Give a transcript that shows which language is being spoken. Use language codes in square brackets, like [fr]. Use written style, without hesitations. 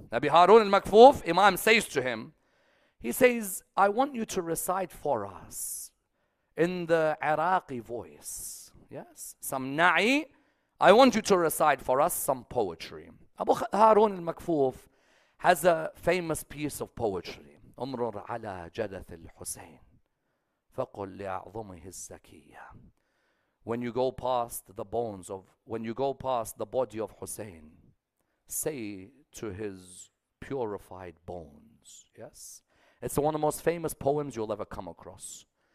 [en] Abu Harun al-Makfuf, Imam says to him, he says, I want you to recite for us in the Iraqi voice. Yes, some na'i. I want you to recite for us some poetry. Abu Harun al-Makfuf has a famous piece of poetry. [ar] أمرر على جدث الحسين فقل لأعظمه الزكية. [en] When you go past the bones of, when you go past the body of Hussein, say to his purified bones. Yes? It's one of the most famous poems you'll ever come across.